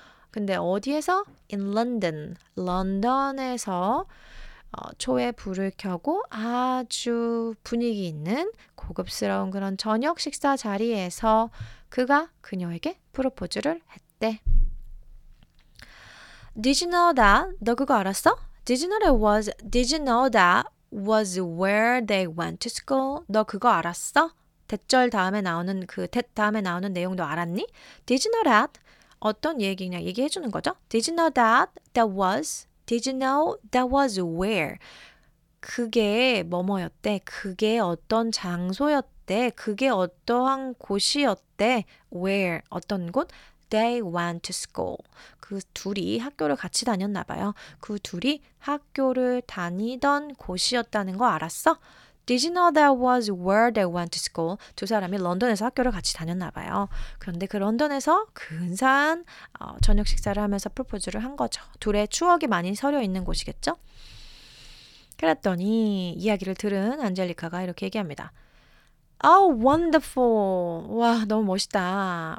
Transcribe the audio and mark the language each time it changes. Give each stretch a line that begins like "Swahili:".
Korean: 근데 어디에서?
English: In London.
Korean: 런던에서 초에 불을 켜고 아주 분위기 있는 고급스러운 그런 저녁 식사 자리에서 그가 그녀에게 프로포즈를 했대.
English: Did you know that?
Korean: 너 그거 알았어?
English: Did you know that was where they went to school?
Korean: 너 그거 알았어? 대절 다음에 나오는 그 that 다음에 나오는 내용도 알았니?
English: Did you know that?
Korean: 어떤 얘기냐 얘기해 주는 거죠?
English: Did you know that that was? Did you know that was where?
Korean: 그게 뭐뭐였대? 그게 어떤 장소였대? 그게 어떠한 곳이었대? Where? 어떤 곳?
English: They went to school.
Korean: 그 둘이 학교를 같이 다녔나 봐요. 그 둘이 학교를 다니던 곳이었다는 거 알았어?
English: Did you know that was where they went to school?
Korean: 두 사람이 런던에서 학교를 같이 다녔나 봐요. 그런데 그 런던에서 근사한 저녁 식사를 하면서 프로포즈를 한 거죠. 둘의 추억이 많이 서려 있는 곳이겠죠? 그랬더니 이야기를 들은 안젤리카가 이렇게 얘기합니다.
English: Oh, wonderful!
Korean: 와, 너무 멋있다.